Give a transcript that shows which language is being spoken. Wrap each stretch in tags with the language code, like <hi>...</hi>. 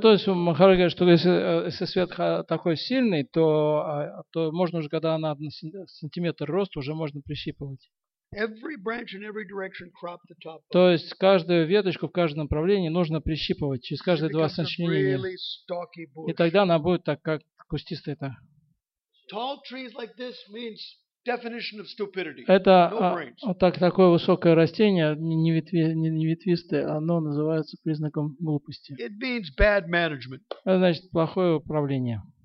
<ru>то есть Махараджа говорит, что если свет такой сильный, то можно уже, когда она на сантиметр роста, уже можно прищипывать.</ru> <en>Every branch in every direction crop the top.</en> <ru>То есть каждую веточку в каждом направлении нужно прищипывать через каждые два сочленения. И тогда она будет так, как кустистая та.</ru> <en>Tall trees like this means definition of stupidity.</en> <ru>Это такое высокое растение, не ветвистое, оно называется признаком глупости.</ru> <en>It means bad management.</en> <ru>Это значит плохое управление.</ru>